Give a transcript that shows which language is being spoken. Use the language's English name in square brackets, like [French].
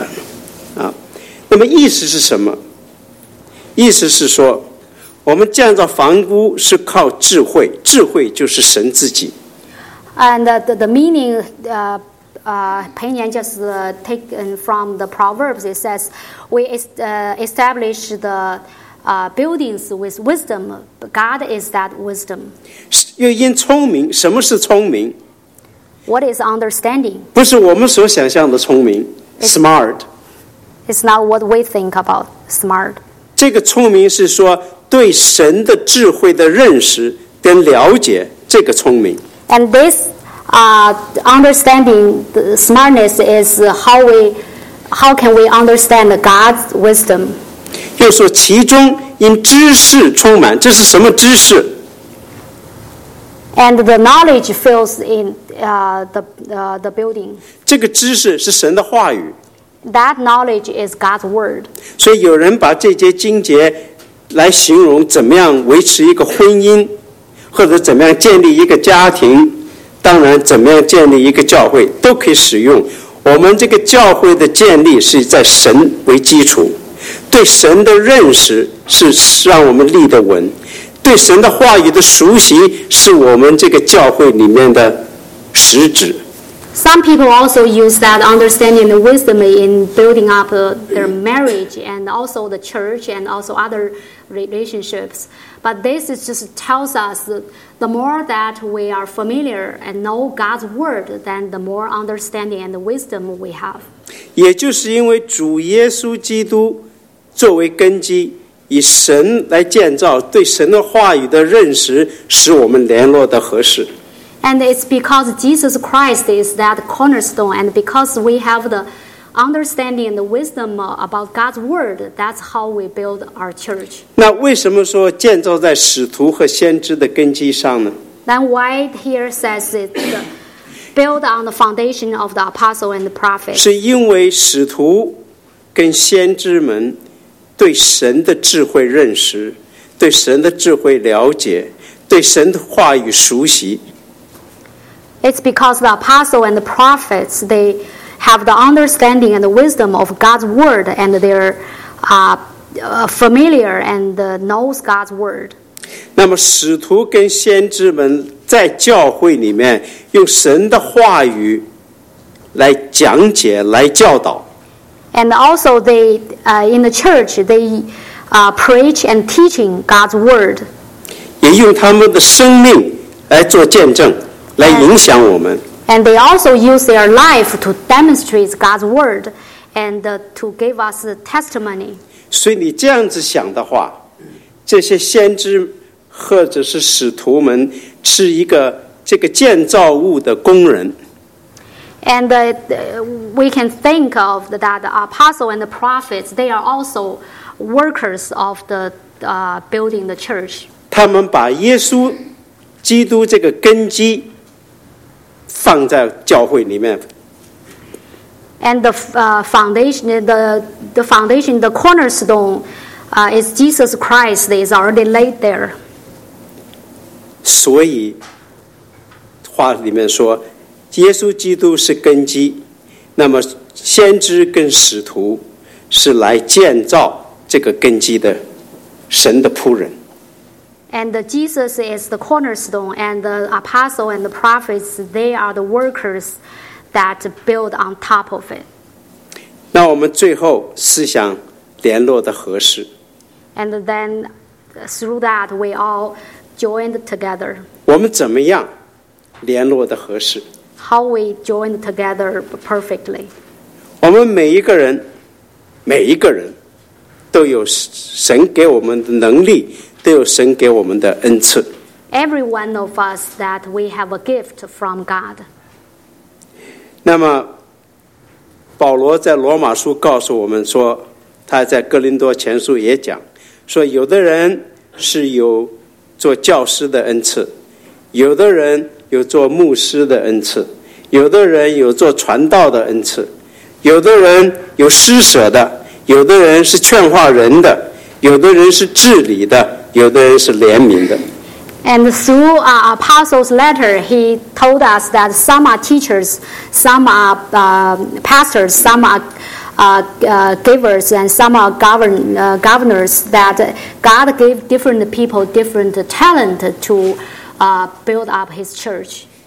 [Chinese] 我们可以思想一下，这教会是怎么造？圣经上面箴言有一句话，他说：“房屋因智慧建造，又因聪明建立，其中因知识充满各样美好宝贵的财物。”这个不必烦了啊。那么意思是什么？意思是说，我们建造房屋是靠智慧，智慧就是神自己。 [English] And the meaning, Pei Nian just taken from the Proverbs. It says, we establish the buildings with wisdom. God is that wisdom. [Chinese] 又因聪明，什么是聪明？ [English] What is understanding? [Chinese] 不是我们所想象的聪明， smart. [English] It's not what we think about smart. [Chinese] 这个聪明是说对神的智慧的认识跟了解，这个聪明。 [English] And this understanding, the smartness is how can we understand God's wisdom? [Chinese] 又说其中因知识充满，这是什么知识？ [English] And the knowledge fills in the building. [Chinese] 这个知识是神的话语。 [English] That knowledge is God's word. [Chinese] 所以有人把这些经节来形容怎么样维持一个婚姻，或者怎么样建立一个家庭，当然怎么样建立一个教会都可以使用。我们这个教会的建立是在神为基础，对神的认识是让我们立得稳，对神的话语的熟悉是我们这个教会里面的实质。 [English] Some people also use that understanding and wisdom in building up their marriage and also the church and also other relationships. But this is just tells us that the more that we are familiar and know God's word, then the more understanding and wisdom we have. [Chinese] 也就是因为主耶稣基督作为根基，以神来建造，对神的话语的认识使我们联络的合适。 [English] And it's because Jesus Christ is that cornerstone, and because we have the understanding and the wisdom about God's word, that's how we build our church. [Chinese] 那为什么说建造在使徒和先知的根基上呢？ [English] Then why here says it build on the foundation of the apostle and the prophet? [Chinese] 是因为使徒跟先知们对神的智慧认识，对神的智慧了解，对神的话语熟悉。 [English] It's because the apostles and the prophets, they have the understanding and the wisdom of God's word, and they're familiar and knows God's word. [Chinese] 那么使徒跟先知们在教会里面用神的话语来讲解，来教导。 [English] And also they, in the church, they preach and teaching God's word. [Chinese] 也用他们的生命来做见证。来影响我们。 [English] And they also use their life to demonstrate God's word and to give us the testimony. [Chinese] 所以你这样子想的话，这些先知或者是使徒们是一个这个建造物的工人。 [English] And we can think of that the apostles and the prophets, they are also workers of the building the church. [Chinese] 他们把耶稣基督这个根基放在教会里面。 [English] And the foundation, the cornerstone is Jesus Christ is already laid there. [Chinese] 所以话里面说耶稣基督是根基，那么先知跟使徒是来建造这个根基的神的仆人。 [English] And Jesus is the cornerstone, and the apostle and the prophets, they are the workers that build on top of it. [Chinese] 那我们最后思想联络的合适。 [English] And then through that, we all joined together. [Chinese] 我们怎么样联络的合适？ [English] How we joined together perfectly. [Chinese] 我们每一个人都有神给我们的能力，都有神给我们的恩赐。 [English] Every one of us that we have a gift from God. [Chinese] 那么保罗在罗马书告诉我们说，他在哥林多前书也讲说，有的人是有做教师的恩赐，有的人有做牧师的恩赐，有的人有做传道的恩赐，有的人有施舍的，有的人是劝化人的，有的人是治理的，有的人是怜悯的。 [English] And through our apostle's letter, he told us that some are teachers, some are pastors, some are givers, and some are governors, that God gave different people different talent to build up his church.